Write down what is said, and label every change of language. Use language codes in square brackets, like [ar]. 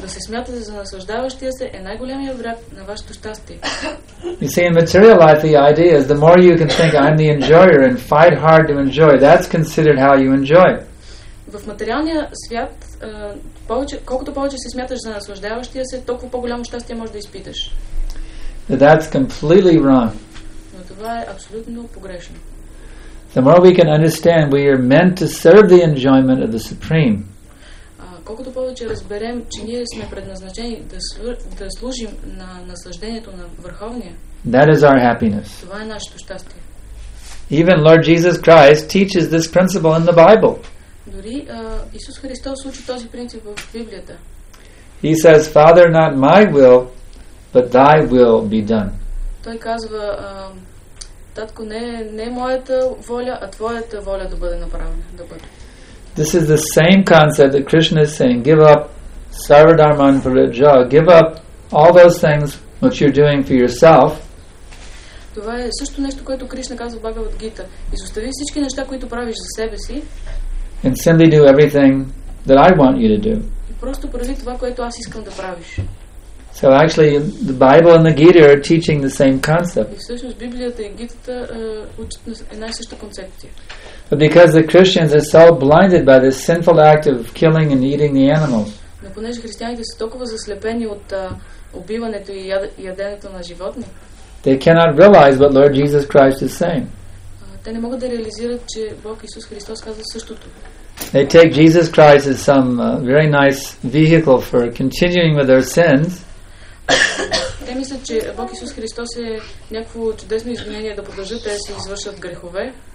[bg] Да се смятате за наслаждаващия се е най-големия враг на вашето щастие. [en] You see, in material life, the idea is the more you can think I'm the enjoyer and fight hard to enjoy, that's considered how you enjoy. [bg] В материалния свят, колкото повече се смяташ за наслаждаващия се, толкова по-голямо щастие можеш да изпиташ. [en] That's completely wrong. [bg] Но това е абсолютно погрешно. [en] The more we can understand we are meant to serve the enjoyment of the Supreme. [bg] Колкото повече разберем, че ние сме предназначени да служим на наслаждението на Върховния. [en] That is our happiness. [bg] Това е нашето щастие. [en] Even Lord Jesus Christ teaches this principle in the Bible. [bg] Дори Исус Христос учи този принцип в Библията. [en] He says, "Father, not my will, but thy will be done." [bg] Той казва, Татко, не моята воля, а твоята воля да бъде направена, да бъде. [en] This is the same concept that Krishna is saying, give up sarvadharma and parijya, give up all those things which you're doing for yourself. [bg] Това е също нещо, което Кришна казва в Бхагавад Гита. Изостави всички неща, които правиш за себе си. [en] And simply do everything that I want you to do. [bg] И просто прави това, което аз искам да правиш. [en] So actually, the Bible and the Gita are teaching the same concept. [bg] Всъщност Библията и Гитата учат една и съща концепция. [en] But because the Christians are so blinded by this sinful act of killing and eating the animals. [bg] Но понеже християните са толкова заслепени от убиването и яденето на животни. [en] They cannot realize what Lord Jesus Christ is saying. [bg] Те не могат да реализират, че Бог Исус Христос казва същото. [en] They take Jesus Christ as some very nice vehicle for continuing with their sins. [bg] Те мислят, че Бог Исус Христос е някакво чудесно извинение да продължат те си извършат грехове.